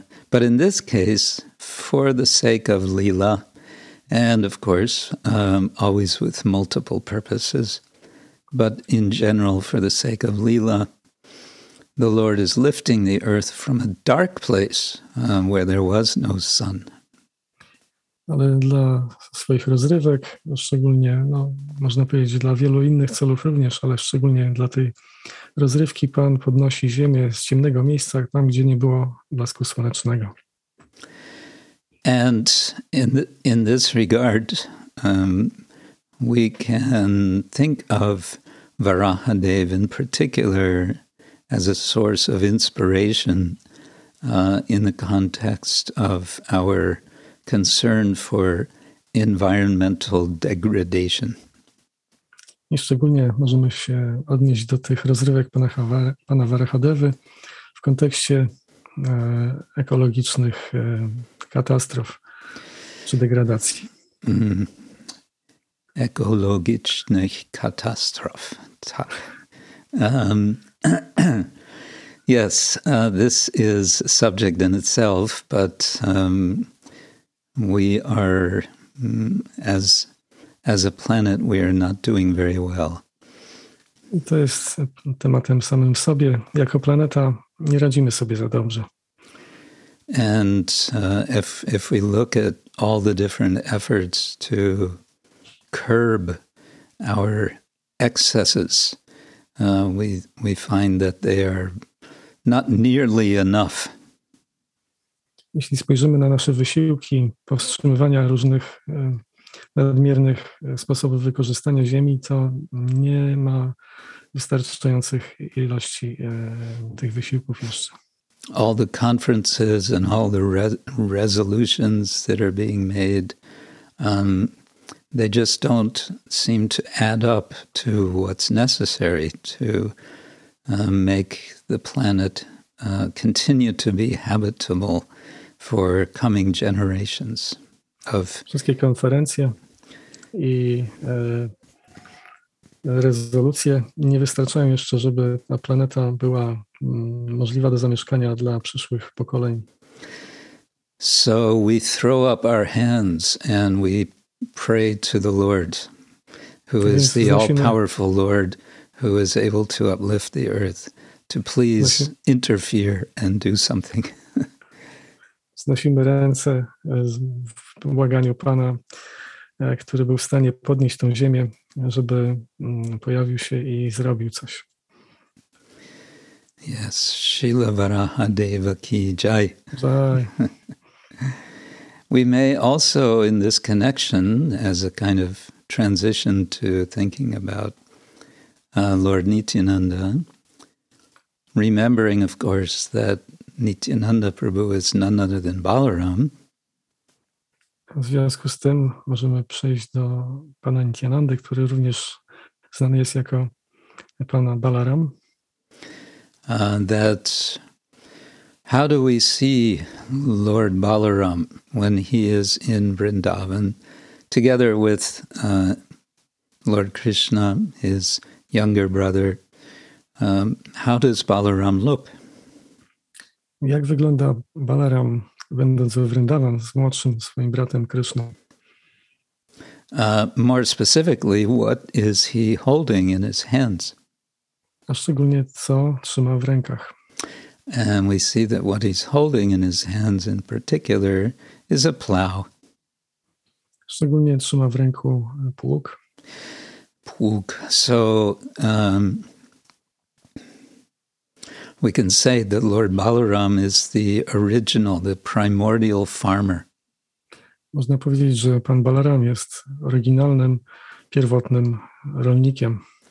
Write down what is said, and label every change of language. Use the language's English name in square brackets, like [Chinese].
[English] But in this case, for the sake of Leela, and of course, always with multiple purposes, but in general, for the sake of Leela, the Lord is lifting the earth from a dark place where there was no sun. [Polish] Ale dla swoich rozrywek, szczególnie, no, można powiedzieć, dla wielu innych celów również, ale szczególnie dla tej rozrywki, Pan podnosi ziemię z ciemnego miejsca, tam, gdzie nie było blasku słonecznego. [English] And in this regard, we can think of Varaha Dev in particular as a source of inspiration in the context of our concern for environmental degradation. [Polish] I szczególnie możemy się odnieść do tych rozrywek pana Varahadevy w kontekście ekologicznych katastrof czy degradacji. Ekologicznych katastrof, tak. [English] yes, this is a subject in itself, but we are, as a planet, we are not doing very well. [Polish] To jest tematem samym w sobie. Jako planeta nie radzimy sobie za dobrze. [English] And if we look at all the different efforts to curb our excesses, we find that they are not nearly enough. [Polish] Jeśli spojrzymy na nasze wysiłki powstrzymywania różnych nadmiernych sposobów wykorzystania ziemi, to nie ma wystarczających ilości tych wysiłków jeszcze. [English] All the conferences and all the resolutions that are being made, they just don't seem to add up to what's necessary to make the planet continue to be habitable for coming generations of [Polish] wszystkie konferencje i rezolucje nie wystarczają jeszcze, żeby ta planeta była możliwa do zamieszkania dla przyszłych pokoleń. [English] So we throw up our hands and we pray to the Lord, who is the all-powerful Lord, who is able to uplift the earth, to please interfere and do something. [Polish] Znosimy ręce w błaganiu Pana, który był w stanie podnieść tą ziemię, żeby pojawił się i zrobił coś. [English] Yes, Śrīla Varāhadeva ki jai. Jai. We may also, in this connection, as a kind of transition to thinking about Lord Nityananda, remembering, of course, that Nityananda Prabhu is none other than Balaram. [Polish] W związku z tym możemy przejść do Pana Nityanandy, który również znany jest jako Pana Balaram. [English] That how do we see Lord Balaram when he is in Vrindavan together with Lord Krishna, his younger brother? How does Balaram look? [Polish] Jak wygląda Balaram będąc w Vrindavan z młodszym swoim bratem Krishna? [English] More specifically, what is he holding in his hands? [Polish] A szczególnie co trzyma w rękach. [English] And we see that what he's holding in his hands in particular is a plow. [Polish] Szczególnie trzyma w ręku pług. Pług. [English] So we can say that Lord Balaram is the original, the primordial farmer. [Polish] Można powiedzieć, że pan Balaram jest oryginalnym, pierwotnym rolnikiem.